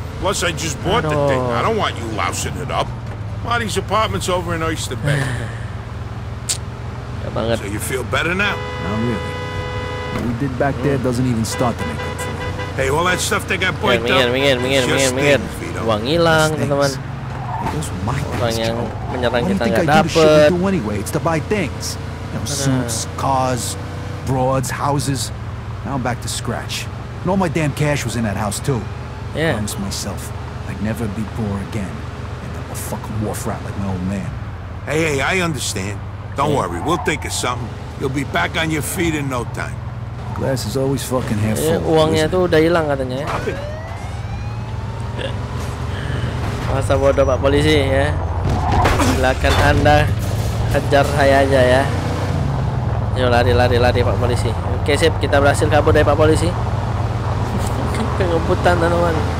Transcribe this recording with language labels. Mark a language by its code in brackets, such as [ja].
[en] Plus, I just bought the thing. I don't want you lousing it up. Marty's apartment's over in Oyster Bay. [id] Gak banget. [en] So you feel better now? Not really. What we did back there doesn't even start to make up for it. Hey, all that stuff they got boiled up. [id] Mingin. Uang hilang, teman-teman. Orang yang menyerang kita nggak dapet. [en] Anyway, it's to buy things. You know, suits, cars, broads, houses. Now I'm back to scratch. And all my damn cash was in that house too. Yeah. I promised myself I'd never be poor again. End up a fucking wharf rat like my old man. Hey, I understand. Don't worry, we'll think of something. You'll be back on your feet in no time. The glass is always fucking half full. [id] Uangnya tuh udah hilang katanya. Ya. Masa bodoh Pak Polisi ya. Silakan Anda hajar saya aja ya. Yo lari Pak Polisi. Oke, sip, kita berhasil kabur dari Pak Polisi. Pengumputan teman-teman.